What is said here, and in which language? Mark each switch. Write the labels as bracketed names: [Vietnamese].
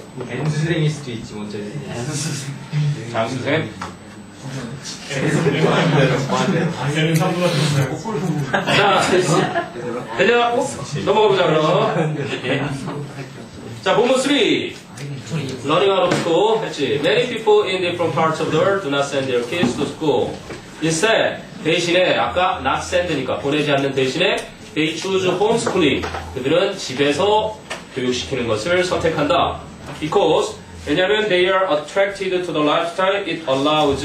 [Korean] 엔수생일 수도 있지 뭔지. 장수생? 대수생 맞대로 대수생 넘어가보자 그럼. 자 본문 3 [English] Learning out of school [Korean] 했지. [English] Many people in different parts of the world do not send their kids to school. [Korean] Instead, 대신에 아까 not send니까 보내지 않는 대신에 [English] they choose homeschooling. [Korean] 그들은 집에서 교육시키는 것을 선택한다. [English] Because [Korean] 왜냐하면 [English] they are attracted to the lifestyle it allows.